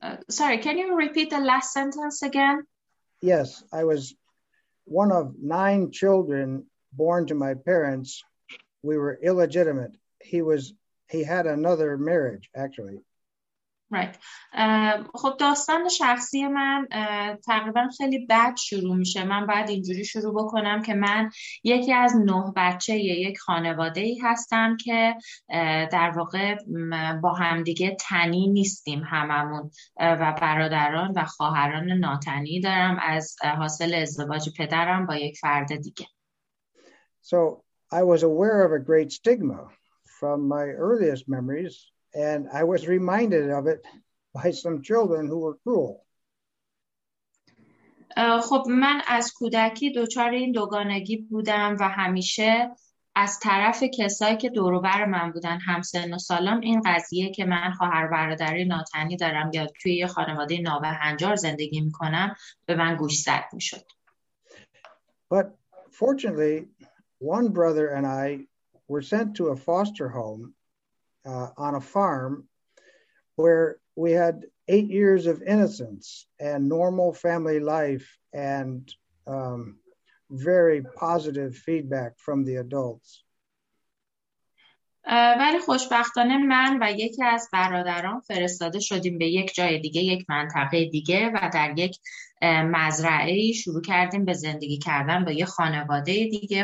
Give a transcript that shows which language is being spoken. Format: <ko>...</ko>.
<en>Sorry, can you repeat the last sentence again? Yes, I was one of nine children born to my parents. We were illegitimate. He had another marriage, actually. Right.</en> <fa>خب داستان شخصی من تقریبا خیلی بد شروع میشه. من باید اینجوری شروع بکنم که من یکی از نه بچه یک خانواده ای هستم که در واقع با همدیگه تنی نیستیم هممون و برادران و خواهران ناتنی دارم از حاصل ازدواج پدرم با یک فرد دیگه.</fa> <en>So I was aware of a great stigma from my earliest memories. And I was reminded of it by some children who were cruel.</en> <fa>خب من از کودکی دچار این دوگانگی بودم و همیشه از طرف کسایی که دور و بر من بودن همسن و سالم این قضیه که من خواهر برادری ناتنی دارم یا توی یه خانواده نابهنجار زندگی میکنم به من گوش زد میشد.</fa> <en>But fortunately, one brother and I were sent to a foster home on a farm where we had 8 years of innocence and normal family life and very positive feedback from the adults.</en> <fa>ولی خوشبختانه من و یکی از برادران فرستاده شدیم به یک جای دیگه، یک منطقه دیگه و در یک مزرعه شروع کردیم به زندگی کردن با یک خانواده دیگه.</fa>